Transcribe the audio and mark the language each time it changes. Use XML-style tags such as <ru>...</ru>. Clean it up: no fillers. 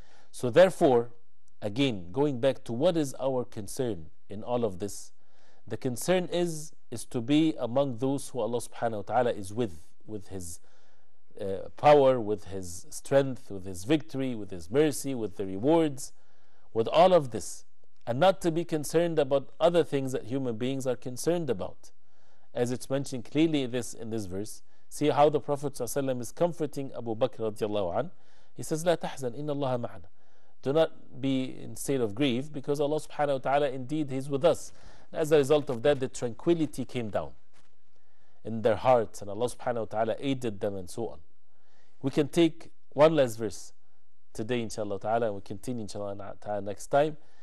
<en>So therefore, again, going back to what is our concern in all of this, the concern is to be among those who Allah subhanahu wa ta'ala is with His power, with His strength, with His victory, with His mercy, with the rewards, with all of this, and not to be concerned about other things that human beings are concerned about. As it's mentioned clearly this in this verse, see how the Prophet ﷺ is comforting Abu Bakr radiallahu an. He says,</en> <ar>لا تحزن إن الله معنا.</ar> <en>Do not be in state of grief, because Allah subhanahu wa ta'ala indeed He's with us. And as a result of that, the tranquility came down in their hearts, and Allah subhanahu wa ta'ala aided them and so on. We can take one last verse today inshallah ta'ala, and we continue inshallah ta'ala next time.</en>